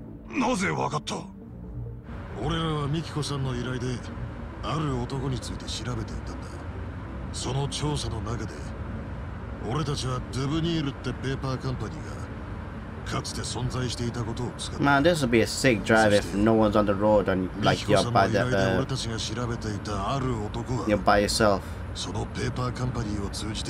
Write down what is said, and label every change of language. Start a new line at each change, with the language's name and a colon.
Japanese: なぜわかった。俺らはミキコさんの依頼である男について調べていたんだ。その調査の中で俺たちはドゥブニールってペーパーカンパニーがかつて存在していたことを使った。
English: Man, this would be a sick drive if no one's on the road and like you're by the
Japanese: 俺たちが調べていたある男は
English: You're by yourself.
Japanese: そのペーパーカンパニーを通じて